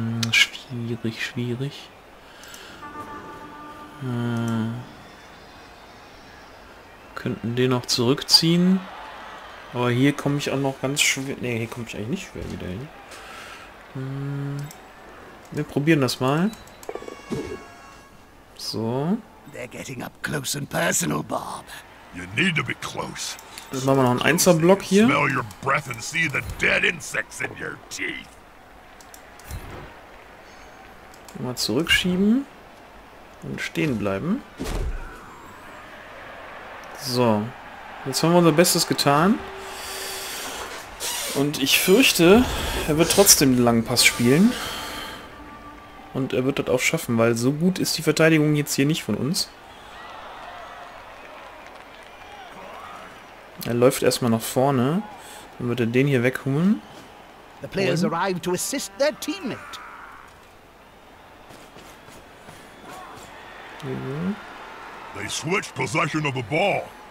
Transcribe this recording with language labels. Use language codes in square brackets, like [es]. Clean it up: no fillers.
[de] Schwierig, schwierig. Könnten den auch zurückziehen. Aber hier komme ich auch noch ganz schwer... Nee, hier komme ich eigentlich nicht schwer wieder hin. Wir probieren das mal. So. [en] They're getting up close and personal, Bob. You need to be close. [de] Dann machen wir noch einen Einzelblock hier. [en] Smell your breath and see the dead insects in your teeth. [de] Mal zurückschieben. Und stehen bleiben. So. Jetzt haben wir unser Bestes getan. Und ich fürchte, er wird trotzdem den langen Pass spielen. Und er wird das auch schaffen, weil so gut ist die Verteidigung jetzt hier nicht von uns. Er läuft erstmal nach vorne. Dann wird er den hier wegholen. [en] The players arrive to assist their teammate. They switch possession of the ball.